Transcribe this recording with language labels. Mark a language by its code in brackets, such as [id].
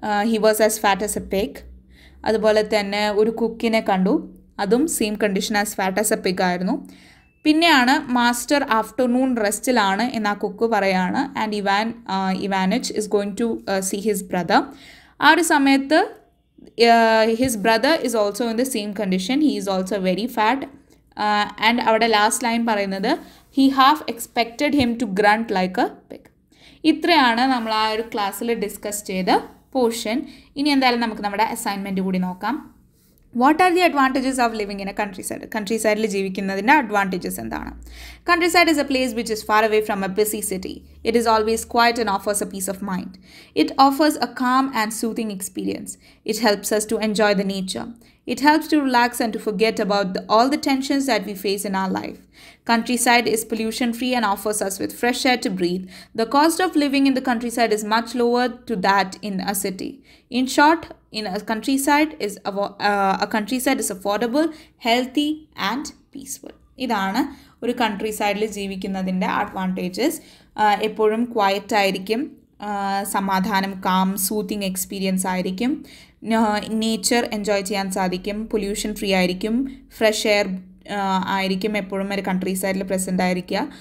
[en] He was as fat as a pig. [ml] അതുപോലെ തന്നെ ഒരു കുക്കിനെ കണ്ടു, [en] അതും same condition as fat as a pig ആയിരുന്നു. [ml] പിന്നെയാണ് മാസ്റ്റർ ആഫ്റ്റർനൂൺ റെസ്റ്റിലാണ് എന്ന് ആ കുക്ക് പറയുകയാണ്. [en] And Ivan Ivanich is going to see his brother. [ml] ആ ഒരു സമയത്ത് [en] His brother is also in the same condition. He is also very fat. And our last line പറയുന്നത് he half expected him to grunt like a pig. [ml] ഇത്രയാണ് നമ്മൾ ആ ഒരു ക്ലാസ്സിൽ discuss ചെയ്ത പോർഷൻ. ഇനി എന്തായാലും നമുക്ക് നമ്മുടെ അസൈൻമെൻ്റ് കൂടി നോക്കാം. [en] What are the advantages of living in a countryside? [ml] Country സൈഡിൽ ജീവിക്കുന്നതിൻ്റെ അഡ്വാൻറ്റേജസ് എന്താണ്? [en] Countryside is a place which is far away from a busy city. It is always quiet and offers a peace of mind. It offers a calm and soothing experience. It helps us to enjoy the nature. It helps to relax and to forget about all the tensions that we face in our life. Countryside is pollution-free and offers us with fresh air to breathe. The cost of living in the countryside is much lower to that in a city. In short, in a countryside is a countryside is affordable, healthy and peaceful. [ml] ഇതാണ് ഒരു country സൈഡിൽ ജീവിക്കുന്നതിൻ്റെ advantages. എപ്പോഴും quiet ആയിരിക്കും, സമാധാനം, calm, soothing experience ആയിരിക്കും, nature enjoy ചെയ്യാൻ സാധിക്കും, pollution free ആയിരിക്കും, ഫ്രഷ് എയർ ആയിരിക്കും എപ്പോഴും ഒരു കൺട്രി സൈഡിൽ പ്രസൻ്റ് ആയിരിക്കുക.